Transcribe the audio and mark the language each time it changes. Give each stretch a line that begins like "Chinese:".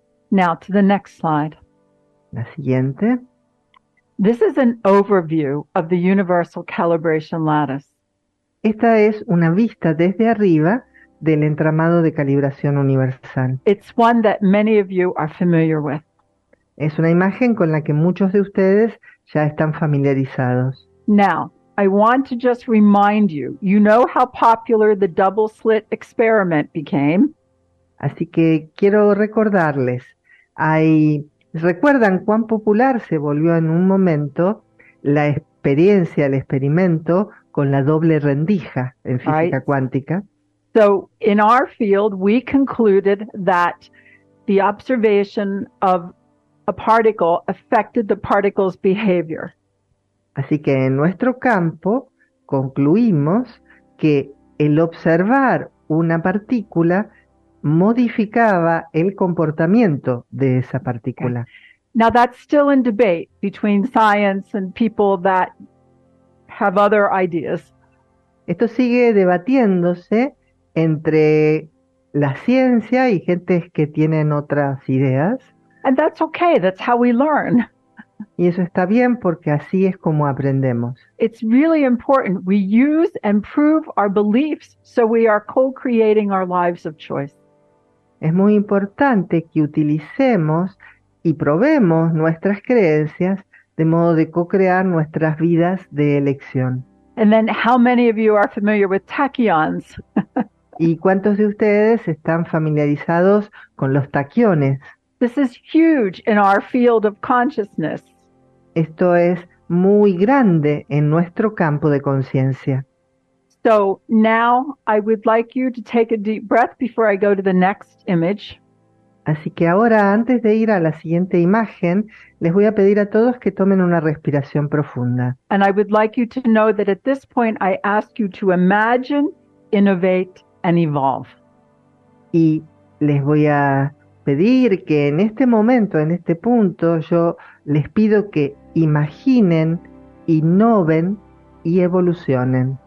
English: Now to the next slide.
Spanish: La siguiente.
English: This is an overview of the universal calibration lattice.
Spanish: Esta es una vista desde arriba del entramado de calibración universal.
English: It's one that many of you are familiar with.
Spanish: Es una imagen con la que muchos de ustedes ya están familiarizados.
English: Now, I want to just remind you, you know how popular the double slit experiment became.
Spanish: Así que quiero recordarles, ¿recuerdan cuán popular se volvió en un momento la experiencia, el experimento con la doble rendija en física cuántica?
English: So, in our field, we concluded that the observation of a particle affected the particle's behavior.
Spanish: Así que en nuestro campo concluimos que el observar una partícula modificaba el comportamiento de esa partícula.
English: Now, that's still in debate between science and people that have other ideas.
Spanish: Esto sigue debatiéndose entre la ciencia y gentes que tienen otras ideas.
English: And that's okay, that's how we learn.
Spanish: Y eso está bien porque así es como aprendemos.
English: It's really important we use and prove our beliefs so we are co-creating our lives of choice.
Spanish: Es muy importante que utilicemos y probemos nuestras creencias de modo de co-crear nuestras vidas de elección.
English: And then how many of you are familiar with tachyons?
Spanish: ¿Y cuántos de ustedes están familiarizados con los taquiones?
English: This is huge in our field of consciousness.
Spanish: Esto es muy grande en nuestro campo de conciencia.
English: So now I would like you to take a deep breath before I go to the next image.
Spanish: Así que ahora, antes de ir a la siguiente imagen, les voy a pedir a todos que tomen una respiración profunda.
English: And I would like you to know that at this point I ask you to imagine, innovate, and evolve.
Spanish: Y les voy a pedir que en este momento, en este punto, yo les pido que imaginen, innoven y evolucionen.